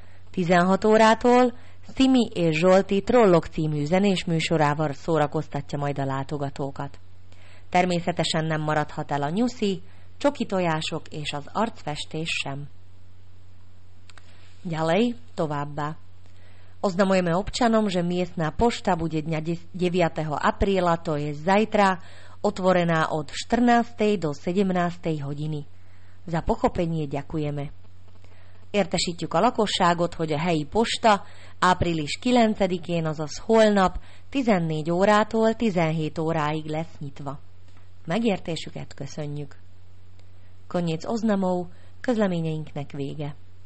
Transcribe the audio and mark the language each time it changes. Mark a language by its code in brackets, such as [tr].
[hu] 16 órától Simi és Zsolti Trollok című zenés műsorával szórakoztatja majd a látogatókat. Természetesen nem maradhat el a nyuszi, csoki tojások és az arcfestés sem. Gyalej továbbá. [sk] Oznamujeme občanom, že miestna pošta bude dňa 9. apríla, to je zajtra, otvorená od 14. do 17. hodiny. Za pochopenie ďakujeme. [hu] Értesítjük a lakosságot, hogy a helyi posta április 9-én, azaz holnap 14 órától 17 óráig lesz nyitva. Megértésüket köszönjük. [sk] Koniec oznamov, [hu] közleményeinknek vége.